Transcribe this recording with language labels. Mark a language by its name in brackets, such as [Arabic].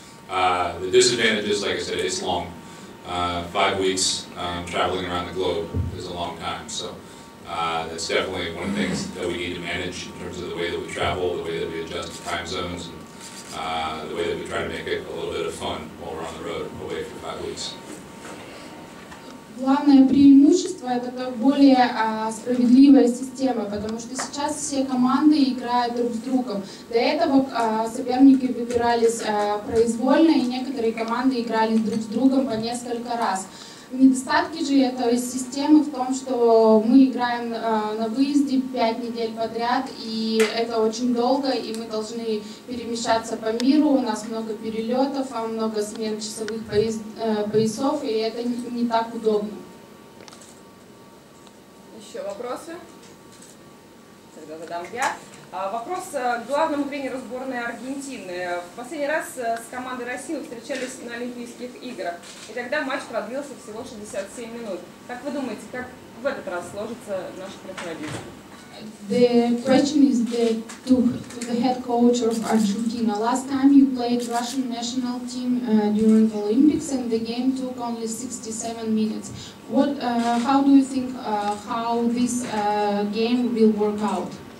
[English] The disadvantages, like I said, it's long. 5 weeks traveling around the globe is a long time. So that's definitely one of the things that we need to manage in terms of the way that we travel, the way that we adjust to time zones, and the way that we try to make it a little bit of fun while we're on the road away for 5 weeks. [Russian] Главное преимущество – это более справедливая система, потому что сейчас все команды играют друг с другом. До этого соперники выбирались произвольно, и некоторые команды играли друг с другом по несколько раз. Недостатки же этой системы в том, что мы играем на выезде 5 недель подряд, и это очень долго, и мы должны перемещаться по миру, у нас много перелетов, а много смен часовых поясов, и это не так удобно. Еще вопросы? Тогда задам я. Вопрос к главному тренеру сборной Аргентины. В последний раз с командой России встречались на Олимпийских играх, и тогда матч продлился всего 67 минут. Как вы думаете, как в этот раз сложится наше противоборство? [English] The question is to the head coach of Argentina. Last time you played Russian national team during the Olympics, and the game took only 67 minutes. What? How do you think how this game will work out?